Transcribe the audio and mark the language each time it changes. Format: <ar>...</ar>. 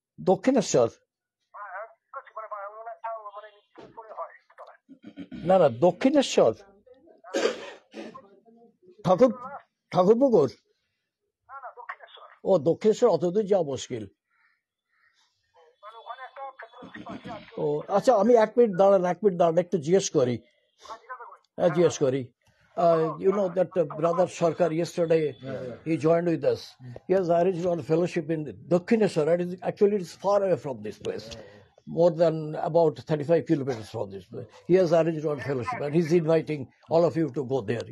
<bn>দক্ষিণেশ্বর, না না দক্ষিণেশ্বর ঠাকুর, ঠাকুরপুকুর, ও দক্ষিণেশ্বর অতদূর যাওয়া মুশকিল। ও আচ্ছা, আমি এক মিনিট দাঁড়ান, এক মিনিট দাঁড়ান, একটু জিজ্ঞেস করি, হ্যাঁ জিজ্ঞেস করি।</bn> <en>You know that brother Sarkar yesterday, he joined with us. He has arranged one fellowship in Dakhineswar. Actually, it is far away from this place, more than about 35 kilometers from this place. He has arranged one fellowship and he's inviting all of you to go there.</en>